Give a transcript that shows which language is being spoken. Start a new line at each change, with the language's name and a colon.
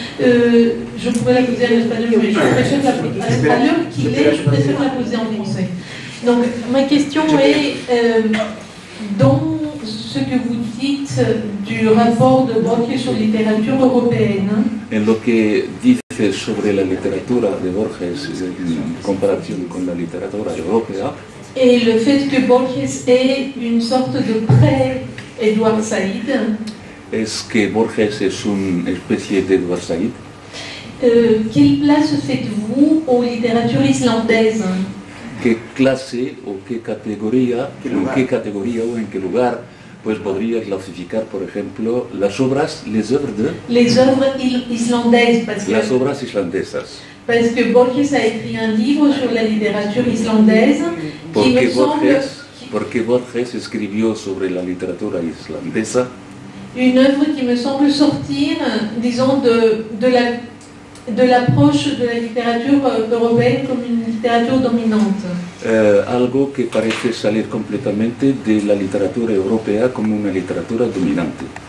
French: Je pourrais la poser en espagnol, mais je préfère la poser en espagnol. À l'heure qu'il est, je préfère la poser en français. Donc, ma question est, dans ce que vous dites du rapport de Borges sur la littérature européenne,
Spanish: en lo que dice sobre la literatura de Borges en comparación con la literatura europea,
French: et le fait que Borges est une sorte de pré-Edouard Said, est-ce que Borges est une espèce d'Edouard Said? Quelle place faites-vous aux littératures islandaises? Quelle classe ou quelle catégorie, en quelle catégorie ou en quel lugar?
Spanish: Pues podría clasificar, por ejemplo, las obras,
French: les œuvres de... Les œuvres islandaises, parce que...
Spanish: Las obras islandesas.
French: Parce que Borges a écrit un livre sur la littérature islandaise,
Spanish: porque
French: qui me semble...
Spanish: Porque Borges escribió sobre la literatura islandesa...
French: Une œuvre qui me semble sortir, disons, de l'approche de la littérature européenne comme une littérature dominante.
Spanish: Algo que parece salir completamente de la literatura europea como una literatura dominante.